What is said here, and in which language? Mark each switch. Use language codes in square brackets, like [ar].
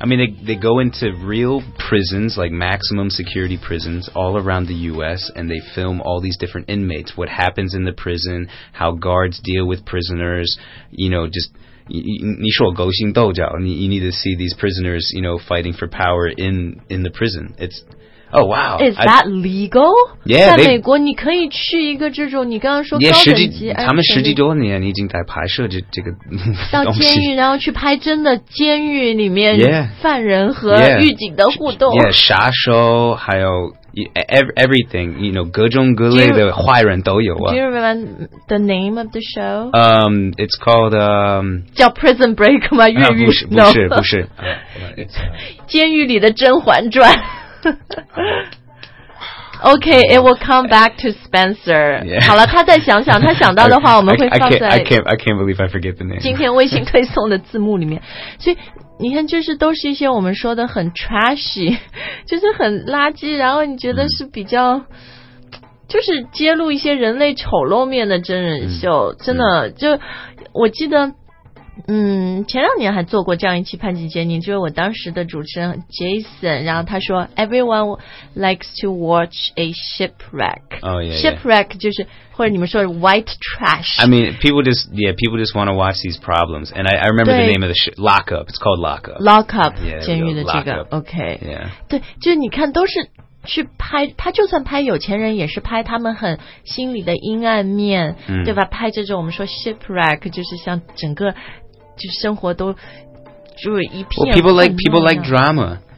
[en] I mean, they go into real prisons, like maximum security prisons all around the U.S., and they film all these different inmates, what happens in the prison, how guards deal with prisoners, you know, just... [zh] 你说勾心斗角 [en] you need to see these prisoners, you know, fighting for power in the prison. It's... Oh, wow. Is that legal? Yeah, [zh] 在美国你可以去一个这种你刚刚说高等级 yeah, 他们十几多年已经在拍摄这个到监狱然后去拍真的监狱里面 [en] yeah, [zh] 犯人和狱警的互动 yeah, 杀手还有 [en] everything, you know, [zh] 各种各类的坏人都有、 [en] Do you remember the name of the show? It's called... [zh] 叫 Prison Break 吗? 狱狱不是监狱里的甄嬛传 [en] Okay, it will come back to Spencer. Yeah. [zh] 好了，他再想想，他想到的话，我们会放在。 [en] I can't believe I forget the name. [zh] 今天微信推送的字幕里面，所以你看，就是都是一些我们说的很 trashy， 就是很垃圾，然后你觉得是比较。就是揭露一些人类丑陋面的真人秀，真的就我记得。前两年还做过这样一期潘吉杰尼就是我当时的主持人 Jason 然后他说 [en] Everyone likes to watch a shipwreck、 oh, yeah, Shipwreck yeah. [zh] 就是或者你们说 white trash [en] I mean people just want to watch these problems And I remember the name of the lockup It's called lockup [zh] 监狱的这个 OK、 [en] yeah. [zh] 对就是你看都是去拍他就算拍有钱人也是拍他们很心里的阴暗面、对吧拍这种我们说 shipwreck 就是像整个就生活都就是一片 [en] well, people like drama